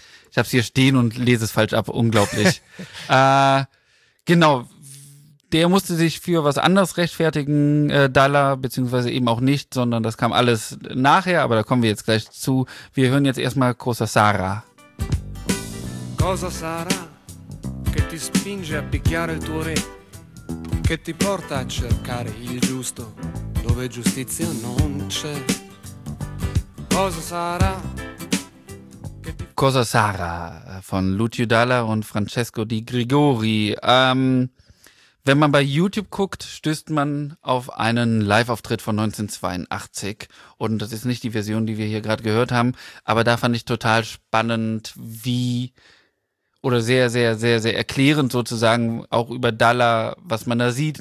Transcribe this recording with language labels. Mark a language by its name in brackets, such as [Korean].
[German] Ich hab's hier stehen und lese es falsch ab, unglaublich. genau, der musste sich für was anderes rechtfertigen, Dalla, beziehungsweise eben auch nicht, sondern das kam alles nachher, aber da kommen wir jetzt gleich zu. Wir hören jetzt erstmal Cosa Sarà. [Italian] Cosa Sarà? Che ti spinge a picchiare il tuo re, che ti porta a cercare il giusto dove giustizia non c'è. Cosa sarà? [German] Cosa sarà von Lucio Dalla und Francesco di Gregori. Wenn man bei YouTube guckt, stößt man auf einen Live-Auftritt von 1982. Und das ist nicht die Version, die wir hier gerade gehört haben, aber da fand ich total spannend, wie. Oder sehr, sehr, sehr, sehr erklärend sozusagen auch über Dalla, was man da sieht.